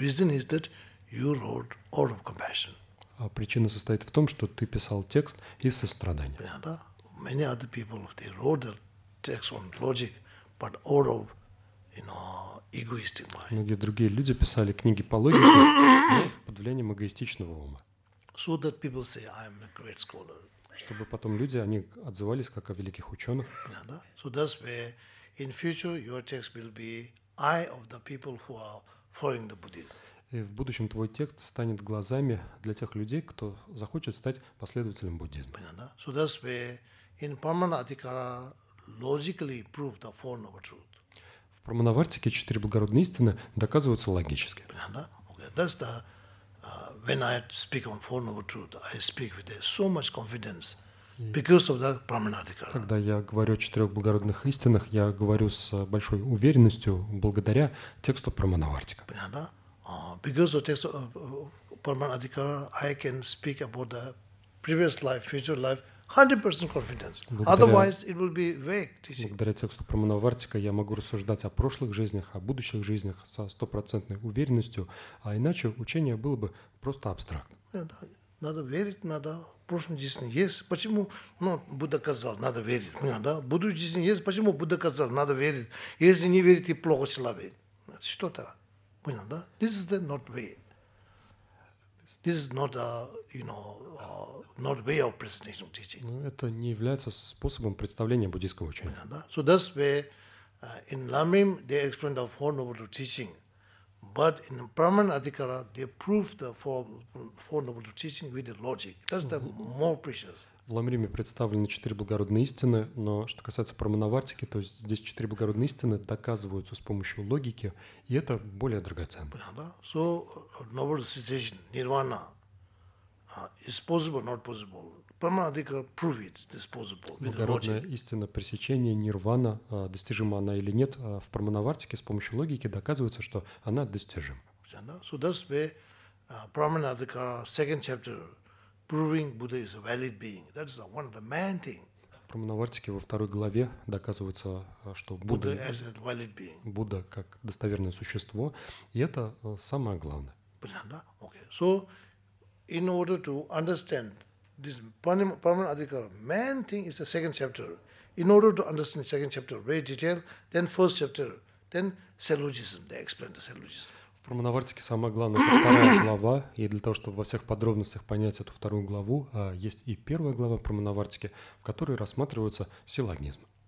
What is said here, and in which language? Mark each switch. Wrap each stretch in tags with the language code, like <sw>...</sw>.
<en>Reason is that you wrote out of compassion.</en> <ru>А причина состоит в том, что ты писал текст из сострадания. Yeah, да?</ru> <en>Many other people, they wrote the text on logic, but out of, you know, egoistic mind.</en> <ru>Многие другие люди писали книги по логике, но под влиянием эгоистичного ума.</ru> <en>So that people say, I'm a great scholar.</en> <ru>Чтобы потом люди, они отзывались как о великих ученых. Yeah, да?</ru> <en>So that's where in future your text will be eye of the people who are following the Buddhism.</en> <ru>И в будущем твой текст станет глазами для тех людей, кто захочет стать последователем буддизма. Понятно, да?</ru> <en>So that's where in Paramanadikara logically prove the four noble truth.</en> <ru>В Прамановартике четыре благородные истины доказываются логически. Да, okay.</ru> <en>That's the when I speak on four noble truth, I speak with so much confidence because of the Prāmanādhikara.</en> <ru>Когда я говорю о четырех благородных истинах, я говорю с большой уверенностью благодаря тексту Прамановартика.</ru> <en>Да, because of text of Prāmanādhikara, I can speak about the previous life, future life. 100% confidence. Otherwise, it will be vague teaching.</en> <ru>Благодаря тексту Прамановартика я могу рассуждать о прошлых жизнях, о будущих жизнях со стопроцентной уверенностью, а иначе учение было бы просто абстрактным. Надо верить, надо. Прошлой жизни есть. Почему? Ну, Будда сказал, надо верить. Да? Будущей жизни есть. Почему Будда сказал, надо верить? Если не верить, и плохо человек. Что-то. Понял, да?</ru> <en>This is the not way. This is not a, you know, not way of presentation of teaching.</en> <ru>Ну, это не является способом представления буддийского учения. Да.</ru> <en>So that's where in Lamrim they explain the four noble truth teaching, but in Prāmanādhikara they prove the four noble truth teaching with the logic. That's the more precious.</en> <ru>В Ламриме представлены четыре благородные истины, но что касается Прамановартики, то есть здесь четыре благородные истины доказываются с помощью логики, и это более драгоценно.</ru> <en>Да. So noble cessation, nirvana, is possible, not possible. Prāmanādhikara prove it, it's possible.</en> <ru>Благородная истина пресечения, нирвана, достижима она или нет, в Прамановартике с помощью логики доказывается, что она достижима.</ru> <en>Да. So that's where Prāmanādhikara second chapter. Proving Buddha is a valid being. That's the one of the main thing.</en> <ru>Прамановартике во второй главе доказывается, что Будда</ru> <en>as a valid being.</en> <ru>Будда как достоверное существо, и это самое главное. Понятно? Okay.</ru> <en>So, in order to understand this Prāmanādhikara, main thing is the second chapter. In order to understand the second chapter very detail, then first chapter, then syllogism. They explain the syllogism.</en> <ru>В Прамановартике самое главное — это вторая глава, и для того, чтобы во всех подробностях понять эту вторую главу, есть и первая глава в Прамановартике, в которой рассматривается силлогизм.</ru>